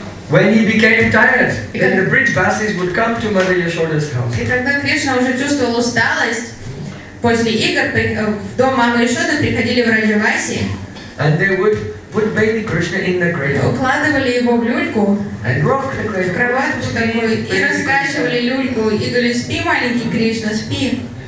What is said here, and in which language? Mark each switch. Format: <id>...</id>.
<en>When he became tired, then the bridge buses would come to Mother Yashoda's house.</en> <ru>И тогда Кришна уже чувствовал усталость. После игр в дом мамы Яшоды приходили враджаваси.</ru> <en>And they would put baby Krishna in the cradle.</en> <ru>Укладывали его в люльку.</ru> <en>And rock the cradle.</en> <ru>В кроватку такую и раскачивали люльку и говорили: "Спи, маленький Кришна, спи."</ru>